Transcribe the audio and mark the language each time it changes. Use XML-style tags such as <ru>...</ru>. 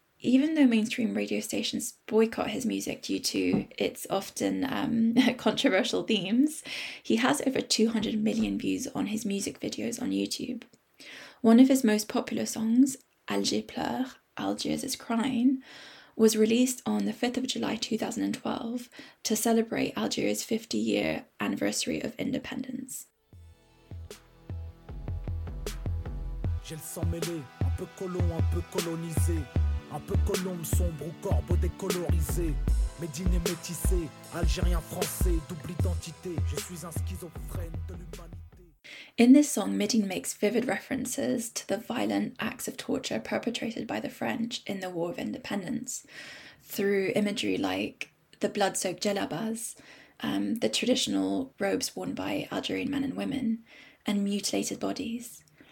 <en>even though mainstream radio stations boycott his music due to its often controversial themes, he has over 200 million views on his music videos on YouTube. One of his most popular songs, Alger Pleure, Algiers is Crying, was released on the 5th of July 2012 to celebrate Algeria's 50-year anniversary of independence.</en> <fr>J'ai le sang mêlé, un peu colonisé, un peu colombe sombre ou corbeau décolorisé, médine et métissé, algérien français, double identité, je suis un schizophrène de l'humanité.</fr> <en>In this song, Midi makes vivid references to the violent acts of torture perpetrated by the French in the War of Independence through imagery like the blood-soaked djellabas, the traditional robes worn by Algerian men and women, and mutilated bodies.</en>